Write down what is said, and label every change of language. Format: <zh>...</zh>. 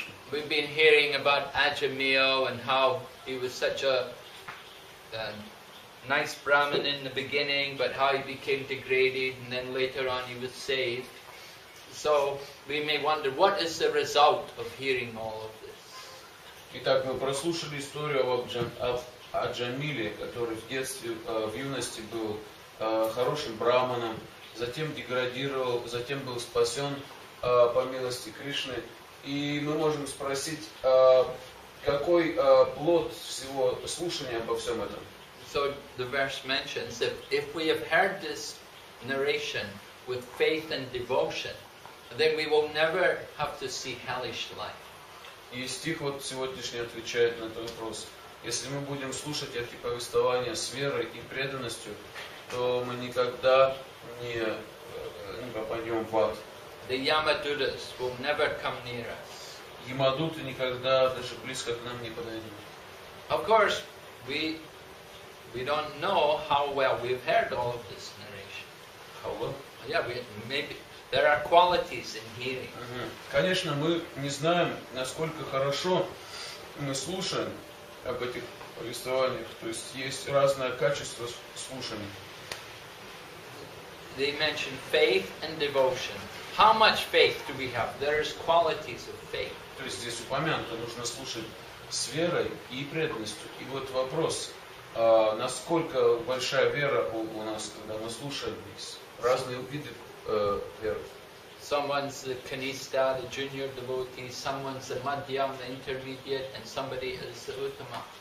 <en>We've been hearing about Ajameel and how he was such a nice Brahmin in the beginning, but how he became degraded and then later on he was saved. So we may wonder, what is the result of hearing all of this?</en> <ru>Итак, мы прослушали историю об Аджамиле, который в детстве, в юности был хорошим Брахманом, затем деградировал, затем был спасен по милости Кришны. И мы можем спросить, какой плод всего слушания обо всем этом?</ru> <en>So the verse mentions that if we have heard this narration with faith and devotion, then we will never have to see hellish life.</en> <ru>И стих вот сегодняшний отвечает на этот вопрос. Если мы будем слушать эти повествования с верой и преданностью, то мы никогда не попадем в ад.</ru> <en>The Yamadutas will never come near us.</en> <ru>Ямадуты никогда даже близко к нам не подойдут.</ru> <en>Of course, we don't know how well we've heard all of this narration. How well? Yeah, maybe there are qualities in hearing.</en> <ru>Конечно, мы не знаем, насколько хорошо мы слушаем об этих повествованиях, то есть есть разное качество слушания.</ru> <en>They mention faith and devotion. How much faith do we have? There is qualities of faith.</en> <ru>То есть здесь упомянуто, нужно слушать с верой и преданностью. И вот вопрос, насколько большая вера у нас, когда мы слушаем, есть разные виды веры.</ru> <en>Someone's the kanista, the junior devotee, someone's the madhyam, the intermediate, and somebody is the uttama.</en>